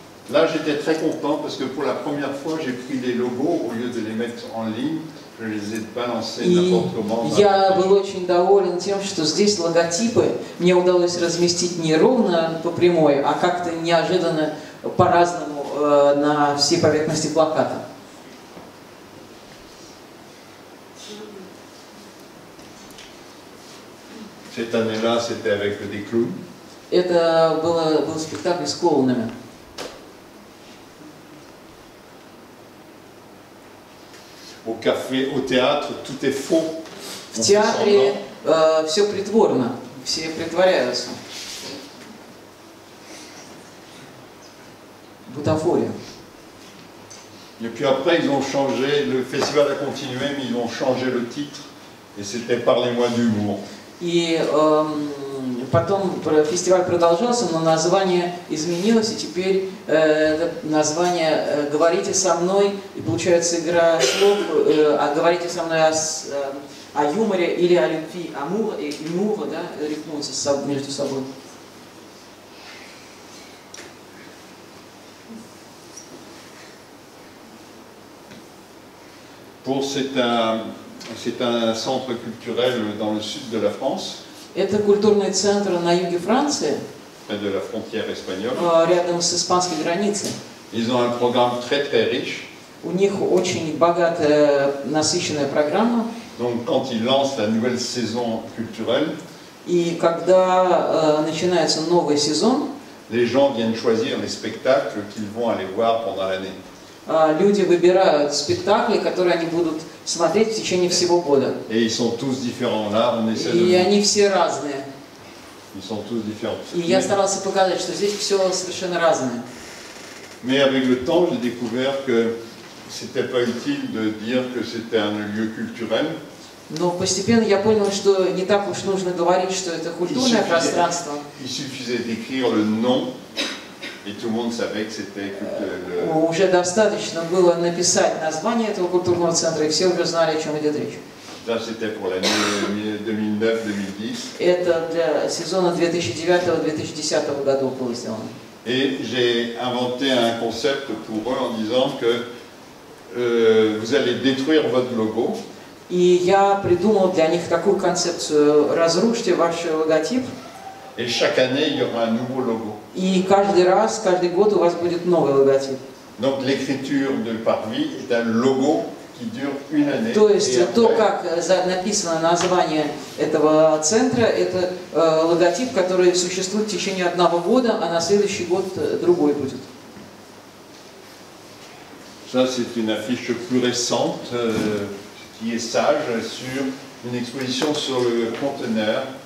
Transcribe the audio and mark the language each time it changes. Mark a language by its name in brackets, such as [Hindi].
[French] Là, j'étais très content parce que pour la première fois, j'ai pris des logos au lieu de les mettre en ligne, je les ai balancés n'importe comment. [Russian] Я был очень доволен тем, что здесь логотипы мне удалось разместить не ровно по прямой, а как-то неожиданно по-разному на всей поверхности плаката. [French] Cette année-là, c'était avec des clowns. [Russian] Это был спектакль с клоунами. [French] Au café, au théâtre, tout est faux. [Russian] В театре все притворно, все притворяются. Бутафория. [French] Et puis après, ils ont changé, le festival a continué, mais ils ont changé le titre, et c'était Parlez-moi d'humour. [Russian] И потом фестиваль продолжался, но название изменилось, и теперь название «Говорите со мной», и получается игра слов, «Говорите со мной о юморе» или «О любви», «Амур» и «Юмур», да, рифмуются между собой. [French] Pour c'est un centre culturel dans le sud de la France. [Russian] Это культурный центр на юге Франции. [French] Près de la frontière espagnole. [Russian] Рядом с испанской границей. [French] Ils ont un programme très très riche. [Russian] У них очень богатая насыщенная программа. [French] Donc quand ils lancent la nouvelle saison culturelle. [Russian] И когда начинается новый сезон. [French] Les gens viennent choisir les spectacles qu'ils vont aller voir pendant l'année. [Russian] Люди выбирают спектакли, которые они будут смотреть в течение всего года. [French] Et ils sont tous différents. Là, on essaie [Russian] de... И они все разные. [French] Ils sont tous différents. [Russian] И я старался показать, что здесь все совершенно разное. [French] Mais avec le temps, j'ai découvert que c'était pas utile de dire que c'était un lieu culturel. [Russian] Но постепенно я понял, что не так уж нужно говорить, что это культурное пространство. [French] Il suffisait d'écrire le nom. Et tout le monde savait que c'était le... [Russian] Уже достаточно было написать название этого культурного центра, и все уже знали, о чем идет речь. [French] Да, c'était pour l'année 2009-2010. [Russian] Это для сезона 2009-2010 года было сделано. [French] Et j'ai inventé un concept pour eux en disant que vous allez détruire votre logo. [Russian] И я придумал для них такую концепцию: разрушьте ваш логотип. [French] Et chaque année, il y aura un nouveau logo. [Russian] И каждый раз, каждый год у вас будет новый логотип. [French] Donc l'écriture de parvis est un logo qui dure une année. [Russian] То есть après... то, как написано название этого центра, это логотип, который существует в течение одного года, а на следующий год другой будет. [French] Ça c'est une affiche plus récente qui est sage sur une exposition sur le conteneur.